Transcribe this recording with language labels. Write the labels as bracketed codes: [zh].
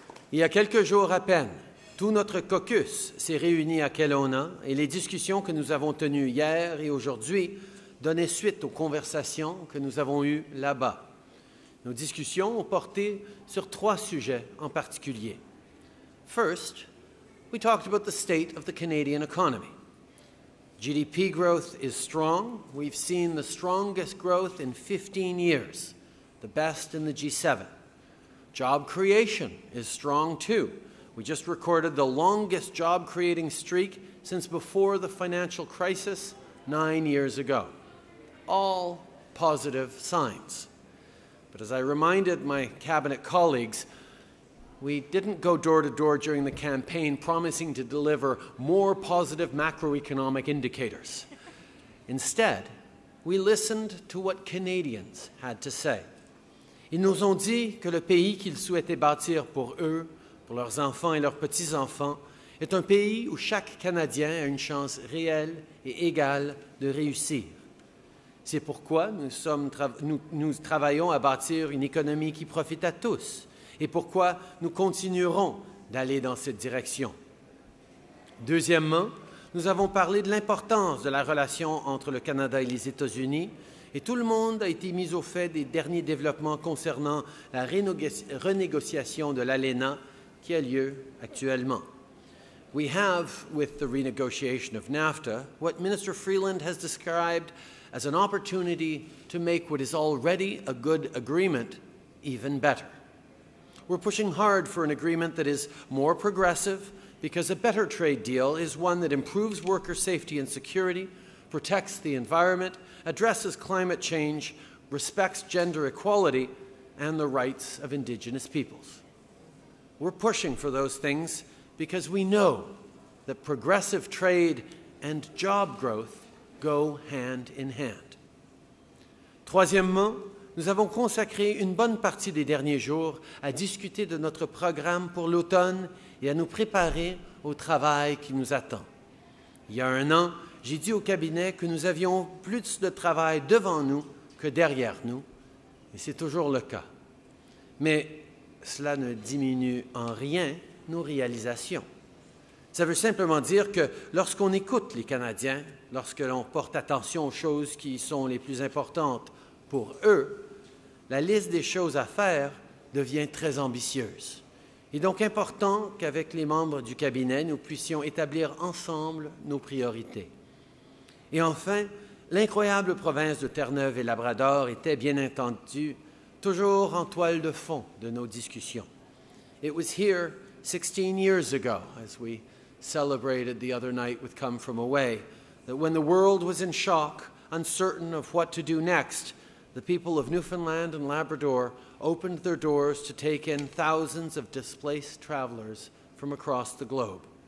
[fr] Il y a quelques jours à peine, tout notre caucus s'est réuni à Kelowna et les discussions que nous avons tenues hier et aujourd'hui donnaient suite aux conversations que nous avons eues là-bas. Nos discussions ont porté sur trois sujets en particulier. [en] First, we talked about the state of the Canadian economy. GDP growth is strong. We've seen the strongest growth in 15 years, the best in the G7. Job creation is strong too. We just recorded the longest job-creating streak since before the financial crisis 9 years ago. All positive signs. But as I reminded my cabinet colleagues, we didn't go door-to-door during the campaign promising to deliver more positive macroeconomic indicators. Instead, we listened to what Canadians had to say. [fr] Ils nous ont dit que le pays qu'ils souhaitaient bâtir pour eux, pour leurs enfants et leurs petits-enfants, est un pays où chaque Canadien a une chance réelle et égale de réussir. C'est pourquoi nous travaillons à bâtir une économie qui profite à tous, et pourquoi nous continuerons d'aller dans cette direction. Deuxièmement, nous avons parlé de l'importance de la relation entre le Canada et les États-Unis, et tout le monde a été mis au fait des derniers développements concernant la renégociation de l'ALENA qui a lieu actuellement. [en] We have, with the renegotiation of NAFTA, what Minister Freeland has described as an opportunity to make what is already a good agreement even better. We're pushing hard for an agreement that is more progressive because a better trade deal is one that improves worker safety and security, protects the environment, addresses climate change, respects gender equality, and the rights of Indigenous peoples. We're pushing for those things because we know that progressive trade and job growth go hand in hand. [fr] Troisièmement, nous avons consacré une bonne partie des derniers jours à discuter de notre programme pour l'automne et à nous préparer au travail qui nous attend. Il y a un an, j'ai dit au cabinet que nous avions plus de travail devant nous que derrière nous, et c'est toujours le cas. Mais cela ne diminue en rien nos réalisations. Ça veut simplement dire que lorsqu'on écoute les Canadiens, lorsque l'on porte attention aux choses qui sont les plus importantes, pour eux, la liste des choses à faire devient très ambitieuse. Il est donc important qu'avec les membres du cabinet, nous puissions établir ensemble nos priorités. Et enfin, l'incroyable province de Terre-Neuve et Labrador était, bien entendu, toujours en toile de fond de nos discussions. [en] It was here 16 years ago, as we celebrated the other night with Come From Away, that when the world was in shock, uncertain of what to do next, the people of Newfoundland and Labrador opened their doors to take in thousands of displaced travelers from across the globe.